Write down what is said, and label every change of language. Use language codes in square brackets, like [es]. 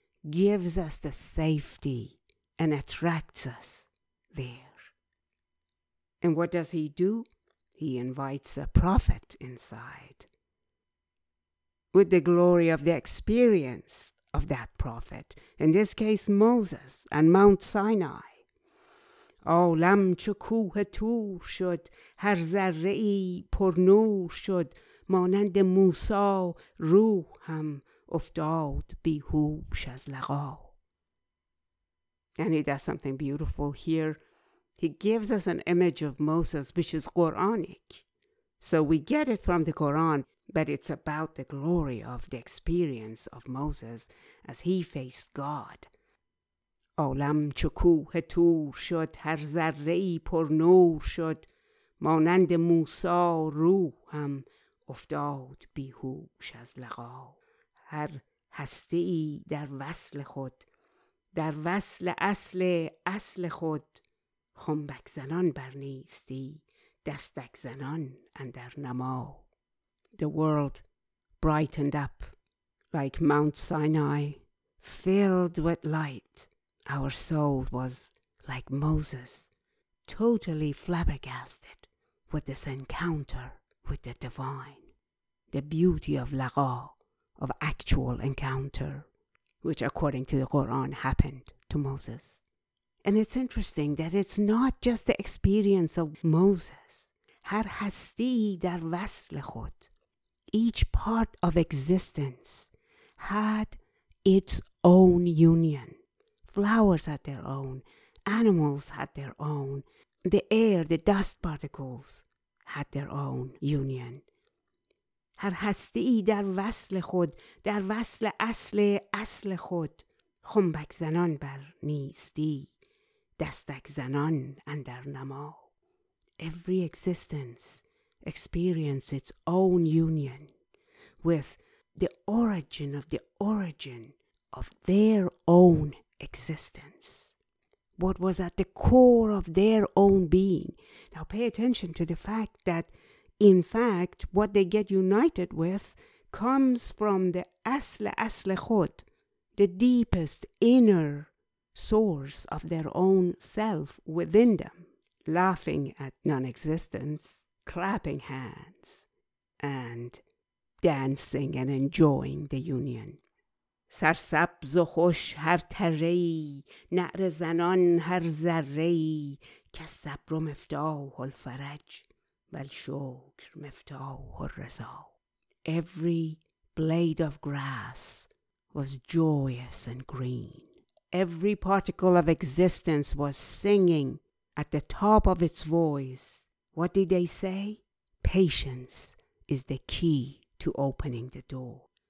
[en] gives us the safety and attracts us there. And what does he do? He invites a prophet inside with the glory of the experience of that prophet, in this case, Moses and Mount Sinai. [fa] عالم چو کوه طور شد، هر ذره‌ای پر نور شد، مانند موسی روح هم افتاد بیهوش از لقا. [en] And he does something beautiful here. He gives us an image of Moses, which is Quranic. So we get it from the Quran, but it's about the glory of the experience of Moses as he faced God. [fa] عالم چو کوه طور شد، هر ذره‌ای پر نور شد، مانند موسی روح هم افتاد بیهوش از لقا. هر هستی در وصل خود، در وصل اصل اصل خود، خنبک زنان بر نیستی، دستک زنان اندر نما. [en] The world brightened up like Mount Sinai, filled with light. Our soul was like Moses, totally flabbergasted with this encounter with the divine. The beauty of laqa, of actual encounter, which according to the Quran happened to Moses. And it's interesting that it's not just the experience of Moses. [fa] Har hasti dar vasl khod. [en] Each part of existence had its own union. Flowers had their own, animals had their own, the air, the dust particles had their own union. [fa] هر هستی در وصل خود، در وصل اصل اصل خود، خنبک زنان بر نیستی، دستک زنان اندر نما. [en] Every existence experienced its own union with the origin of the origin of their own existence. What was at the core of their own being. Now pay attention to the fact that, in fact, what they get united with comes from the [fa] asl asl khod, [en] the deepest inner source of their own self within them, laughing at non-existence, clapping hands, and dancing and enjoying the union. [fa] سرسبز و خوش هر تره ای، نعر زنان هر ذره ای، که صبر و مفتاح الفرج، بل شکر مفتاح الرضا. [en] Every blade of grass was joyous and green. Every particle of existence was singing at the top of its voice. What did they say? Patience is the key to opening the door.